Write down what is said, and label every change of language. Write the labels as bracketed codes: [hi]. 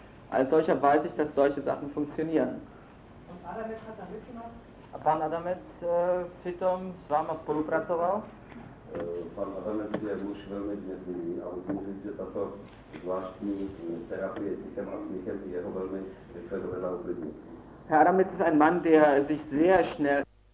[de] Als solcher weiß ich, dass solche Sachen funktionieren. Und Adamec hat da mitgemacht? [cs] Pan Adamec přitom s váma spolupracoval? Pan Adamec je muž velmi vnitřní a musím říct, že tato zvláštní terapie tichem a smíchem jeho velmi rychle dovedla uklidnit. [de] Herr Adamec ist ein Mann, der sich sehr schnell...